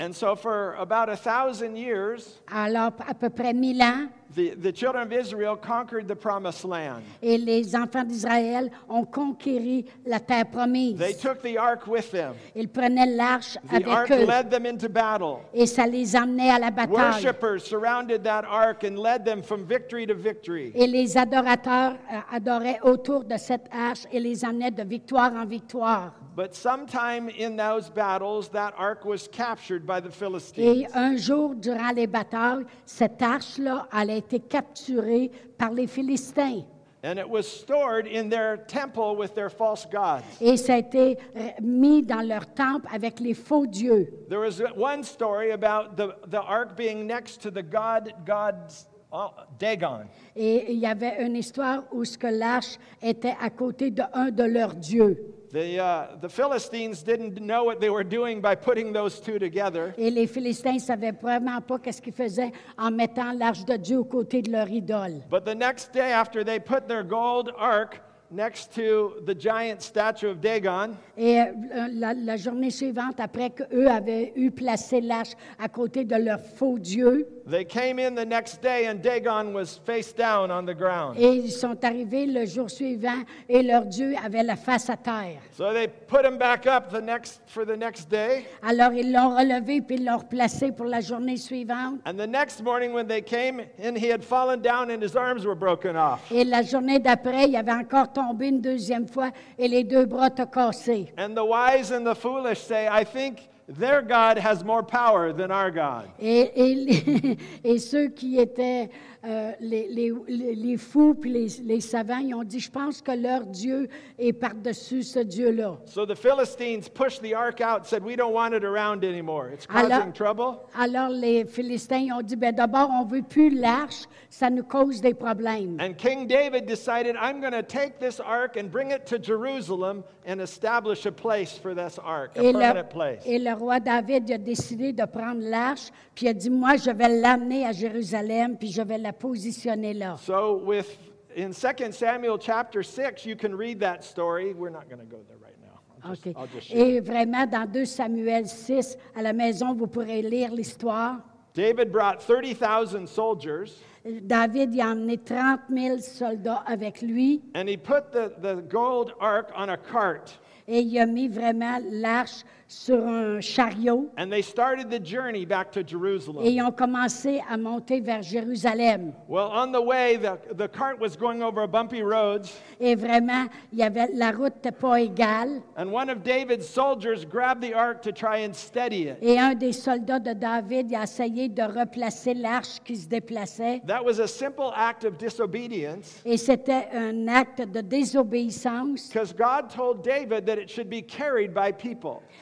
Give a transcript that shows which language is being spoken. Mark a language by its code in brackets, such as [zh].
[en] And so for about 1,000 years, [fr] alors à peu près 1,000 ans, [en] the children of Israel conquered the promised land. [fr] Et les enfants d'Israël ont conquéri la terre promise. [en] They took the ark with them. [fr] Ils prenaient l'arche avec eux. [en] The ark led them into battle. [fr] Et ça les emmenait à la bataille. [en] Worshippers surrounded that ark and led them from victory to victory. [fr] Et les adorateurs adoraient autour de cette arche et les emmenaient de victoire en victoire. [en] But sometime in those battles, that ark was captured by the Philistines. [fr] Et un jour durant les batailles, cette arche-là allait être capturée par les Philistins. [en] And it was stored in their temple with their false gods. [fr] Et ça a été mis dans leur temple avec les faux dieux. [en] There is one story about the ark being next to the god's. Dagon. [fr] Et il y avait une histoire où ce que l'arche était à côté d'un de leurs dieux. [en] The Philistines didn't know what they were doing by putting those two together. [fr] Et les Philistins savaient vraiment pas qu'est-ce qu'ils faisaient en mettant l'arche de Dieu à côté de leur idole. [en] But the next day after they put their gold ark next to the giant statue of Dagon. [fr] Et la journée suivante, après qu'eux avaient eu placé l'arche à côté de leur faux dieu, [en] they came in the next day and Dagon was face down on the ground. [fr] Et ils sont arrivés le jour suivant et leur dieu avait la face à terre. [en] So they put him back up for the next day. [fr] Alors ils l'ont relevé puis ils l'ont replacé pour la journée suivante. [en] And the next morning when they came in, he had fallen down and his arms were broken off. [fr] Et la journée d'après, il avait encore tombé une deuxième fois et les deux bras t'ont cassé. [en] And the wise and the foolish say, I think their God has more power than our God. [fr] Et ceux qui étaient les fous puis les savants, ils ont dit, je pense que leur Dieu est par-dessus ce Dieu-là. [en] So the Philistines pushed the ark out, said, we don't want it around anymore. It's causing trouble. [fr] Alors les Philistins ont dit, ben d'abord, on veut plus l'arche, ça nous cause des problèmes. [en] And King David decided, I'm going to take this ark and bring it to Jerusalem and establish a place for this ark, permanent place. [fr] Et le roi David a décidé de prendre l'arche, puis il a dit, moi, je vais l'amener à Jérusalem, puis je vais la positionner là. [en] So in 2 Samuel chapter 6, you can read that story. We're not going to go there right now. [fr] Et vraiment, dans 2 Samuel 6, à la maison, vous pourrez lire l'histoire. [en] David brought 30,000 soldiers. [fr] David y a emmené 30 000 soldats avec lui. [en] And he put the gold ark on a cart. [fr] Et il a mis vraiment l'arche sur un chariot. [en] And they started the journey back to Jerusalem. [fr] Et ils ont commencé à monter vers Jérusalem. [en] Well, on the way, the cart was going over bumpy roads. [fr] Et vraiment, il y avait la route n'était pas égale. [en] And one of David's soldiers grabbed the ark to try and steady it. [fr] Et un des soldats de David a essayé de replacer l'arche qui se déplaçait. [en] That was a simple act of disobedience. [fr] Et c'était un acte de désobéissance. [en] Because God told David that it should be carried by people.